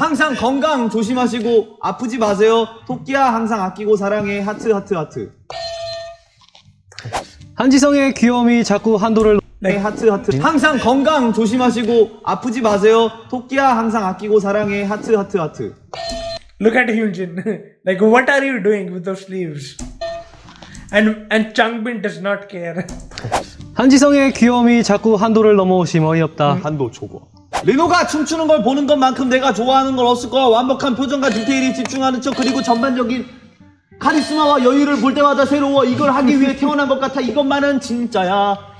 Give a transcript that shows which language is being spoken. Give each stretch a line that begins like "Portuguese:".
Korean: 항상 건강 조심하시고 아프지 마세요. 토끼야 항상 아끼고 사랑해. 하트 하트 하트. 한지성의 귀여움이 자꾸 한도를 네 하트 하트 항상 건강 조심하시고 아프지 마세요 토끼야 항상 아끼고 사랑해 하트 하트 하트
English: Look at Hyunjin like what are you doing with those sleeves and Changbin does not care
Korean: 한지성의 귀여움이 자꾸 한도를 넘어오심 어이없다 한도 초과 리노가 춤추는 걸 보는 것만큼 내가 좋아하는 걸 없을 거야 완벽한 표정과 디테일이 집중하는 척 그리고 전반적인 카리스마와 여유를 볼 때마다 새로워 이걸 하기 위해 태어난 것 같아 이것만은 진짜야